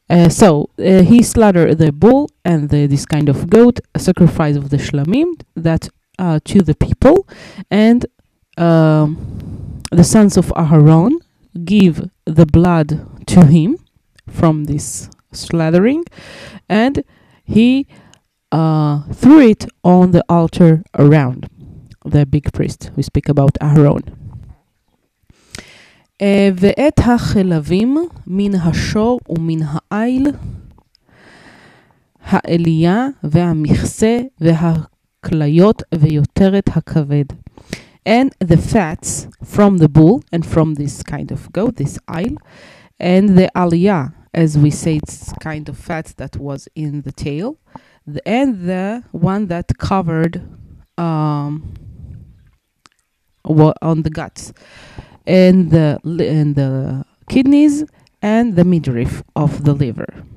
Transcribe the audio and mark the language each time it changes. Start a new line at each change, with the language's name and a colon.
English: So he slaughtered the bull and this kind of goat, a sacrifice of the shlamim, that to the people, and the sons of Aharon give the blood to him from this slaughtering, and he threw it on the altar around the big priest. We speak about Aharon.
Hebrew: ואת החלבים מן השור ומן העיל, האליה והמכסה והכליות ויותרת הכבד.
English: And the fats from the bull and from this kind of goat, this oil, and the aliya, as we say, it's kind of fats that was in the tail, and the one that covered on the guts, and the kidneys, and the midriff of the liver.